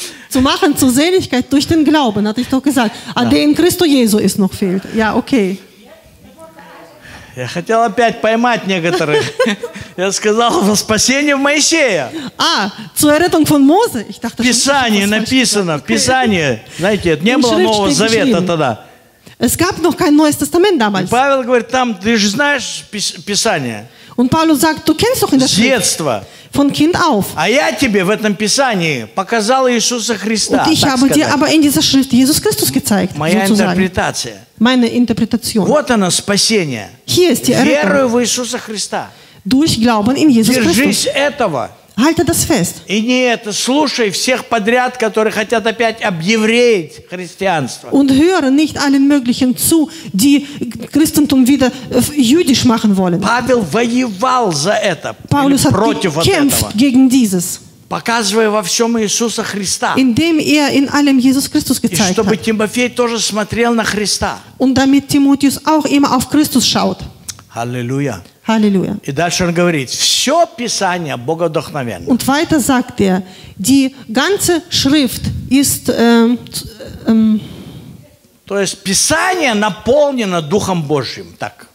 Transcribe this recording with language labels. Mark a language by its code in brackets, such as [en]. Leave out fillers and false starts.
[de] Zu machen zur Seligkeit durch den Glauben, hatte ich doch gesagt. А der in Christo Jesu ist noch fehlt. Ja, okay. [ru] Я хотел опять поймать некоторых. Я сказал, во спасение в Моисея. [de] А, zur Errettung von Mose. Ich dachte, [ru] Писание написано, в Писании. Знаете, это не было Нового Завета тогда. [de] Es gab noch kein Neues Testament damals. [ru] Павел говорит, там, ты же знаешь Писание. [de] Und Paulus sagt, du kennst doch in der Schrift. [ru] С детства. [de] Von Kind auf. [ru] А я тебе в этом Писании показал Иисуса Христа. [de] Und ich habe dir aber in dieser Schrift Jesus Christus gezeigt. [ru] Моя интерпретация. [de] Meine Interpretation. [ru] Вот оно, спасение. [de] Hier ist die Errettung. [ru] Верую в Иисуса Христа. [de] Durch Glauben in Jesus [ru] Christus. Держись этого. [de] Halte das fest. [ru] И не это, слушай всех подряд, которые хотят опять объевреить христианство. [de] Und höre nicht allen möglichen zu, die Christentum wieder jüdisch machen wollen. [ru] Павел воевал за это. [de] Paulus hat [ru] против вот этого. [de] Gegen dieses. [ru] Показывая во всем Иисуса Христа. [de] Indem er in allem Jesus Christus gezeigt hat. [ru] И чтобы [de] hat. [ru] Тимофей тоже смотрел на Христа. [de] Und damit Timotheus auch immer auf Christus schaut. Halleluja. Halleluja. [ru] И дальше он говорит, все Писание Боговдохновенно. [de] Und weiter sagt er, die ganze Schrift ist... [ru] То есть Писание наполнено Духом Божьим, так?